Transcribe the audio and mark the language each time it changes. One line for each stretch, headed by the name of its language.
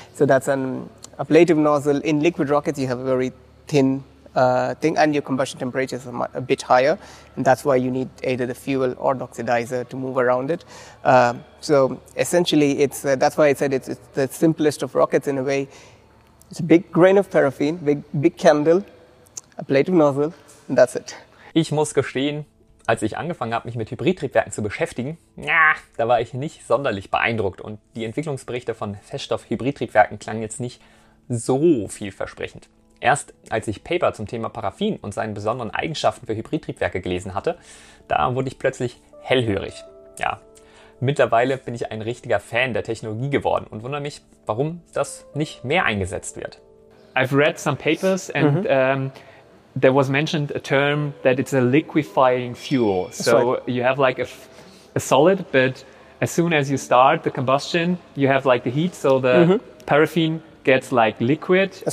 English: So that's an ablative nozzle. In liquid rockets, you have a very thin thing, and your combustion temperatures are a bit higher, and that's why you need either the fuel or the oxidizer to move around it. So essentially, it's that's why I said it's the simplest of rockets in a way. It's a big grain of paraffin, big candle, ablative nozzle, and that's it.
German: Ich muss gestehen, als ich angefangen habe, mich mit Hybridtriebwerken zu beschäftigen, da war ich nicht sonderlich beeindruckt und die Entwicklungsberichte von Feststoff-Hybridtriebwerken klangen jetzt nicht so vielversprechend. Erst als ich Paper zum Thema Paraffin und seinen besonderen Eigenschaften für Hybridtriebwerke gelesen hatte, da wurde ich plötzlich hellhörig. Ja, mittlerweile bin ich ein richtiger Fan der Technologie geworden und wundere mich, warum das nicht mehr eingesetzt wird.
English: I've read some papers and there was mentioned a term that it's a liquefying fuel. So you have like a solid, but as soon as you start the combustion, you have like the heat, so the paraffin gets like liquid. That's